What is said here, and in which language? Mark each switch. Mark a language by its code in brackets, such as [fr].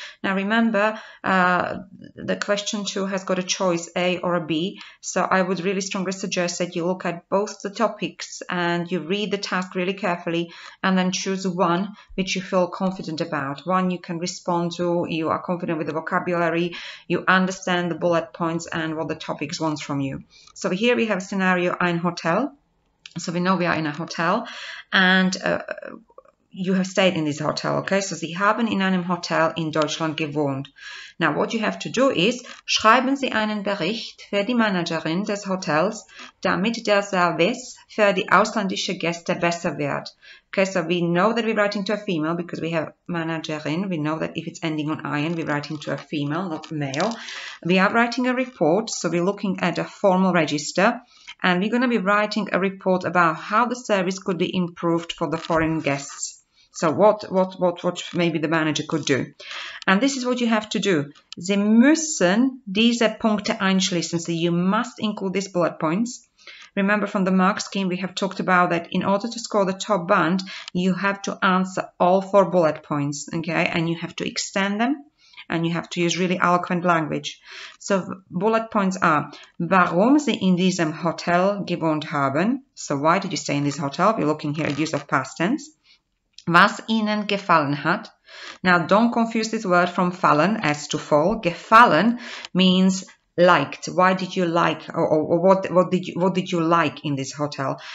[en] Now remember, the question two has got a choice A or a B, so I would really strongly suggest that you look at both the topics and you read the task really carefully and then choose one which you feel confident about, one you can respond to, you are confident with the vocabulary, you understand the bullet points and what the topic wants from you. So here we have scenario [de] Ein Hotel. [en] So we know we are in a hotel and you have stayed in this hotel, okay? [de] So Sie haben in einem Hotel in Deutschland gewohnt. [en] Now what you have to do is, [de] schreiben Sie einen Bericht für die Managerin des Hotels, damit der Service für die ausländische Gäste besser wird. [en] Okay, so we know that we're writing to a female because we have managerin. We know that if it's ending on ein, we're writing to a female, not male. We are writing a report, so we're looking at a formal register. And we're going to be writing a report about how the service could be improved for the foreign guests. So what maybe the manager could do. And this is what you have to do. [de] Sie müssen diese Punkte einschließen. [en] So you must include these bullet points. Remember from the mark scheme, we have talked about that in order to score the top band, you have to answer all four bullet points. Okay, and you have to extend them. And you have to use really eloquent language. So bullet points are, [de] warum Sie in diesem Hotel gewohnt haben. [en] So why did you stay in this hotel? We're looking here at use of past tense. [de] Was Ihnen gefallen hat. [en] Now don't confuse this word from fallen as to fall. Gefallen means liked. Why did you like or what did you like in this hotel?